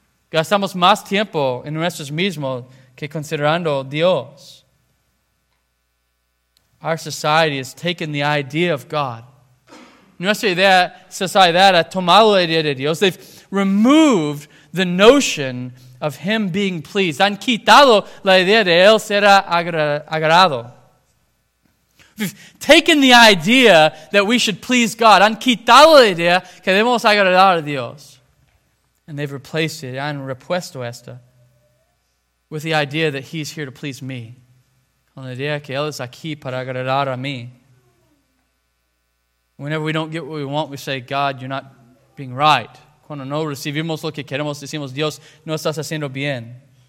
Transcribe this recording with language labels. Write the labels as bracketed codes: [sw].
[es] Gastamos más tiempo en nosotros mismos que considerando Dios. [en] Our society has taken the idea of God. [es] Nuestra idea, sociedad, ha tomado la idea de Dios. [en] They've removed the notion of Him being pleased. [es] Han quitado la idea de Él ser agrado. [en] We've taken the idea that we should please God. [es] Han quitado la idea que debemos agradar a Dios. [en] And they've replaced it, [es] han repuesto esta, [en] with the idea that He's here to please me. [es] Con la idea que Él es aquí para agradar a mí. [en] Whenever we don't get what we want, we say, God, you're not being right. [es] Cuando no recibimos lo que queremos, decimos, Dios, no estás haciendo bien.